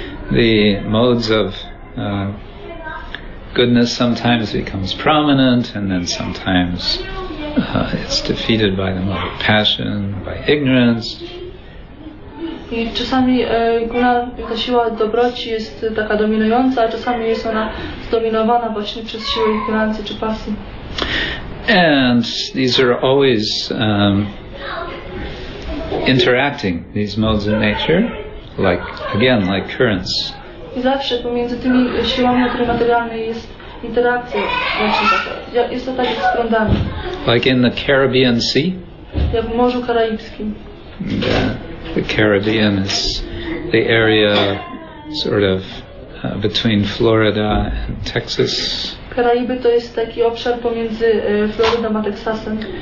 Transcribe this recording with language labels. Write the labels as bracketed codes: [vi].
[en] The modes of goodness sometimes becomes prominent and then sometimes It's defeated by the mode of passion, by ignorance. [pl] I czasami guna, ta siła dobroci jest taka dominująca, a czasami jest ona zdominowana właśnie przez siłę ignorancji czy pasji. [en] And these are always interacting, these modes of nature, like, again, like currents. [pl] I zawsze pomiędzy tymi siłami natury materialnej jest interakcja, jest to tak jak z prądami. [en] Like in the Caribbean Sea? [pl] Jak w Morzu Karaibskim. [en] The Caribbean is the area sort of between Florida and Texas. [pl] Karaiby to jest taki obszar pomiędzy Florydą a Teksasem.